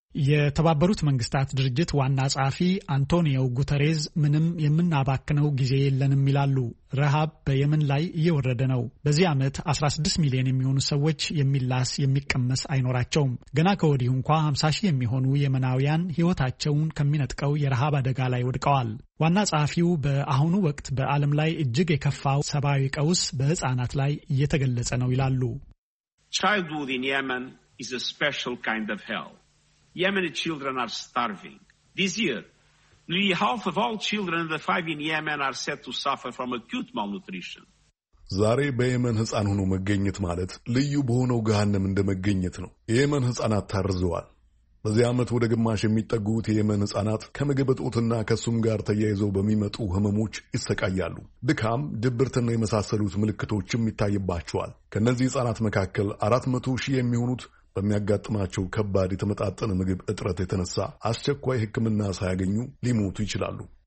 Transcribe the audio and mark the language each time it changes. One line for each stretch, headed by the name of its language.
Amharic: የተባበሩት መንግስታት ድርጅት ዋና ጸሐፊ አንቶኒዮ ጉተሬዝ ምንም የምናባክነው ጊዜ የለንም ይላሉ። ረሃብ በየመን ላይ እየወረደ ነው። በዚህ ዓመት 16 ሚሊዮን የሚሆኑ ሰዎች የሚላስ የሚቀመስ አይኖራቸውም። ገና ከወዲሁ እንኳ 50 ሺህ የሚሆኑ የመናውያን ህይወታቸውን ከሚነጥቀው የረሃብ አደጋ ላይ ወድቀዋል። ዋና ጸሐፊው በአሁኑ ወቅት በዓለም ላይ እጅግ የከፋው ሰብአዊ ቀውስ በህፃናት ላይ እየተገለጸ ነው ይላሉ።
English: Childhood in Yemen is a special kind of hell. Yemeni children are starving. This year, nearly half of all children under 5 in Yemen are said to suffer from acute malnutrition.
Amharic: ዛሬ በየመን ህፃን ሆኖ መገኘት ማለት ልዩ በሆነው ገሃነም እንደመገኘት ነው። የየመን ህፃናት ታርዘዋል። በዚህ ዓመት ወደ ግማሽ የሚጠጉት የየመን ህፃናት ከምግብ እጦትና ከሱም ጋር ተያይዘው በሚመጡ ህመሞች ይሰቃያሉ። ድካም፣ ድብርትና የመሳሰሉት ምልክቶችም ይታይባቸዋል። ከነዚህ ህፃናት መካከል 400 ሺህ የሚሆኑት በሚያጋጥማቸው ከባድ የተመጣጠነ ምግብ እጥረት የተነሳ አስቸኳይ ሕክምና ሳያገኙ ሊሞቱ ይችላሉ።